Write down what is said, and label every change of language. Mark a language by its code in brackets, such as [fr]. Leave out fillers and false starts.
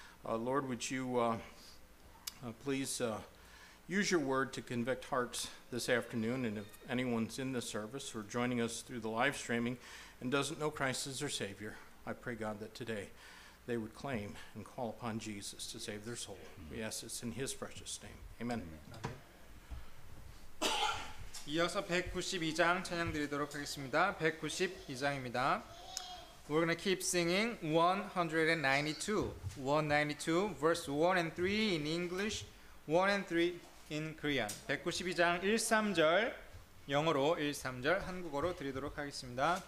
[en] Lord, would you please use your word to convict hearts this afternoon. And if anyone's in the service or joining us through the live streaming and doesn't know Christ as their Savior, I pray, God, that today they would claim and call upon Jesus to save their soul. We ask this in his precious name. Amen. Amen. [ko] 이어서 192장 찬양 드리도록 하겠습니다. 192장입니다. [en] We're going to keep singing 192 verse 1 and 3 in English, 1 and 3 in Korean. [ko] 192장 1, 3절 영어로 1, 3절 한국어로 드리도록 하겠습니다.